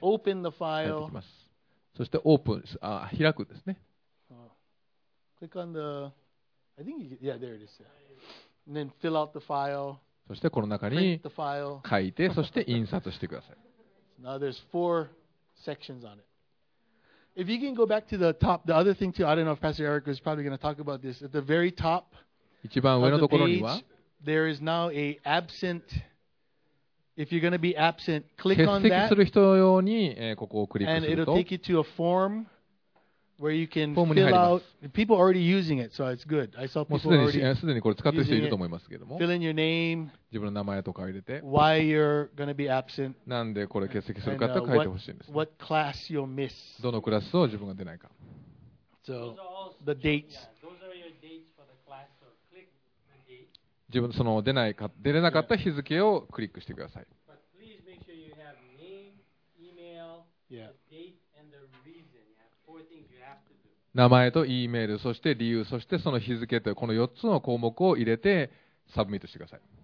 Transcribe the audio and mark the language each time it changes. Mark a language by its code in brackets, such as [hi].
[en] Open the file. [ja] 入ってきます。そしてオープン、開くですね。 [en] Click on the. I think you, yeah, there it is. And then fill out the file. [ja] そしてこの中に書いて、そして印刷してください。 [en] Now there's four sections on it. If you can go back to the top, the other thing too, I don't know if Pastor Eric was probably going to talk about this. At the very top, [ja] 一番上のところには、 [en] of the page, there is now a absent. If you're going to be absent, click on that. [ja] 欠席する人用に、ここをクリックすると、 [en] and it'll take you to a form. Where you can fill out. People are already using it, so it's good. I saw people already using it. Fill in your name. [ja] 自分の名前とか入れて。 [en] Why you're going to be absent. [ja] なんでこれ欠席するかって書いてほしいんです。 [en] What class you'll miss. [ja] どのクラスを自分が出ないか。 [en] So, the dates. Those are your dates for the class. So, click the date. [ja] 自分その出れなかった日付をクリックしてください。 [en] But please make sure you have name, email, date. [ja] 名前と E メール、そして理由、そしてその日付というこの4つの項目を入れてサブミットしてください。